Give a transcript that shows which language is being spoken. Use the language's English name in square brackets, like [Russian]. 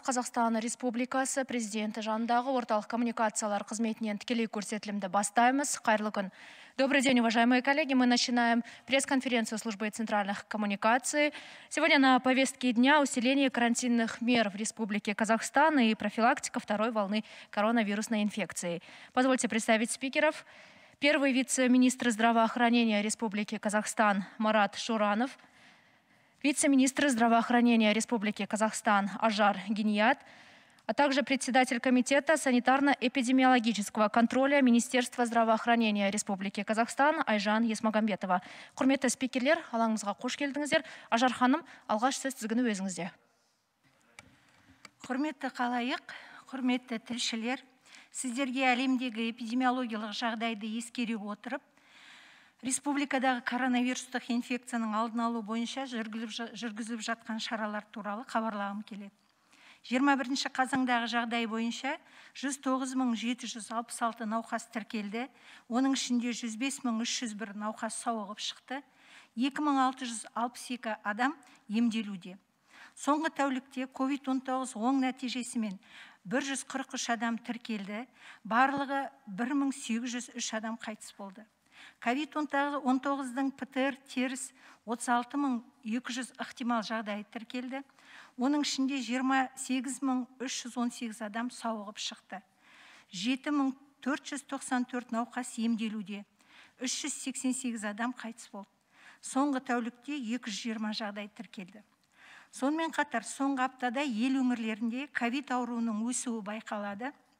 [Kazakh] Қазақстан Республикасы президенті жанындағы орталық коммуникациялар қызметінен тікелей көрсетілімді бастаймыз. Қайырлы күн. [Russian] Добрый день, уважаемые коллеги. Мы начинаем пресс-конференцию службы центральных коммуникаций. Сегодня на повестке дня усиление карантинных мер в Республике Казахстан и профилактика второй волны коронавирусной инфекции. Позвольте представить спикеров. Первый вице-министр здравоохранения Республики Казахстан Марат Шуранов. Вице-министр здравоохранения Республики Казахстан Ажар Гиният, а также председатель комитета санитарно-эпидемиологического контроля Министерства здравоохранения Республики Казахстан Айжан Есмагамбетова. [Kazakh] Құрметті спикерлер, алаңызға қош келдіңіздер. Ажар ханым, алғаш сөз сізге өзіңізде. Құрметті қалайық, құрметті тілшілер, сіздерге әлемдегі эпидемиологиялық жағдайды ескере отырып, республикадағы коронавирустық инфекцияның алдын алу бойынша жүргізіліп жатқан шаралар туралы хабарлағым келеді. 21 қазандағы жағдай бойынша 109766 науқас тіркелді, оның ішінде 105301 науқас сауығып шықты, 2662 адам емделуде. Соңғы тәулікте COVID-19 оң нәтижесімен 143 адам тіркелді, барлығы 1803 адам қайтыс болды. COVID-19-дың ПТР теріс 36200 ықтимал жағдайы тіркелді. Оның ішінде 28318 адам сауығып шықты. 7494 науқас емделуде. 388 адам қайтыс болды. Соңғы тәулікте 220 жағдай тіркелді. Сонымен қатар, соңғы аптада ел өңірлерінде COVID ауруының өсуі байқалады.